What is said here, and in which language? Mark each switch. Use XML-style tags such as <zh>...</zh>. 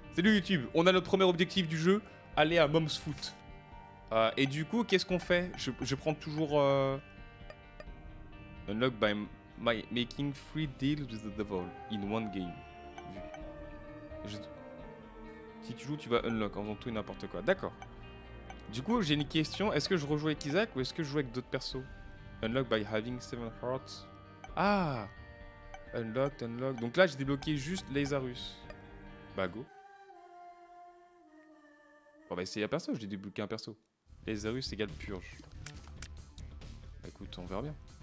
<fr>Salut YouTube, on a notre premier objectif du jeu, aller à Mom's Foot. Et du coup, qu'est-ce qu'on fait? Je prends toujours...</fr> <en>Unlock by my making three deals with the devil in one game.</en> <fr>Si tu joues, tu vas unlock en faisant tout et n'importe quoi. D'accord. Du coup, j'ai une question. Est-ce que je rejoue avec Isaac ou est-ce que je joue avec d'autres persos?</fr> <en>Unlock by having seven hearts. Ah! Unlock.</en> <fr>Donc là, j'ai débloqué juste Lazarus. Bah, go. Bon, bah, c'est un perso. J'ai débloqué un perso. Lazarus égale purge. Bah, écoute, on verra bien.</fr>